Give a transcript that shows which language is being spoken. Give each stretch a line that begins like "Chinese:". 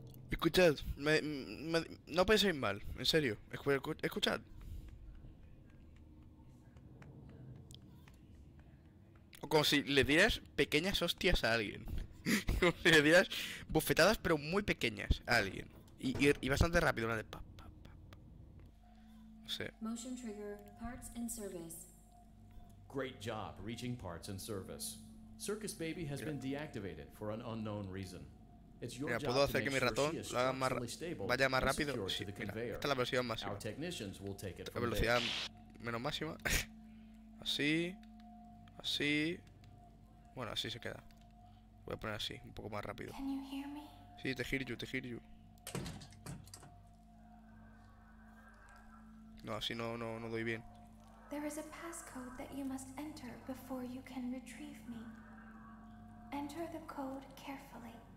Spanish: Escuchad, no penséis mal, en serio, escuchad. O como si le dieras pequeñas hostias a alguien. Como si le dieras bofetadas, pero muy pequeñas a alguien. Y bastante rápido, una de pa, pa, pa, pa. No sé.
English: Motion trigger, parts and service. Great job reaching parts and service. Circus Baby has been deactivated for an unknown reason.
Spanish: Mira, puedo hacer que mi ratón lo haga más vaya más rápido. Sí, mira, esta es la velocidad máxima. La velocidad menos máxima. Así. Así. Bueno, así se queda. Voy a poner así, un poco más rápido. Sí, te hear you, te hear you. No, así no, no, no doy bien.
English: There is a passcode that you must enter before you can retrieve me. Enter the code carefully.